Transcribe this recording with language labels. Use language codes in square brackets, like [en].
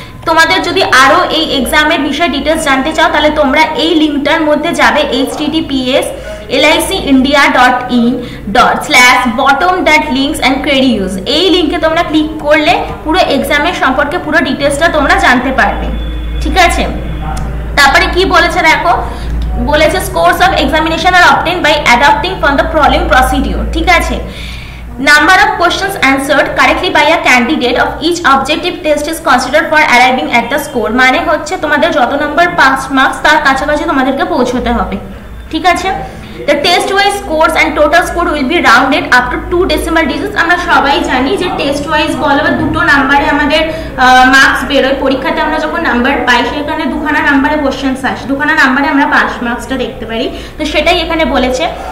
[bn] তোমাদের যদি আরো এই এক্সামের বিষয়ে ডিটেলস জানতে চাও তাহলে তোমরা এই লিঙ্কটার মধ্যে যাবে https://licindia.in/bottom-links-credius, এই লিংকে তোমরা ক্লিক করলে পুরো এক্সামের সম্পর্কে পুরো ডিটেলসটা তোমরা জানতে পারবে, ঠিক আছে? তারপরে কি বলেছে দেখো, বলেছে [en] scores of examination are obtain by adapting from the prelim procedure, [bn] ঠিক আছে? [en] Number of questions answered correctly by a candidate of each objective test is considered for arriving at the score. [bn] মানে হচ্ছে তোমাদের যত নাম্বার পাস মার্কস তার কাছাকাছি তোমাদেরকে পৌঁছতে হবে, ঠিক আছে? [en] The test wise scores and total score will be rounded up to 2 decimal digits. [bn] আমরা সবাই জানি যে টেস্ট ওয়াইজ বলো বা দুটো নাম্বারে আমাদের মার্কস বেরোয়, পরীক্ষাতে আমরা যখন নাম্বার পাই সেখানে দুখানা নাম্বারে কোশ্চেন্স আসে, দুখানা নাম্বারে আমরা পাস মার্কসটা দেখতে পারি, তো সেটাই এখানে বলেছে।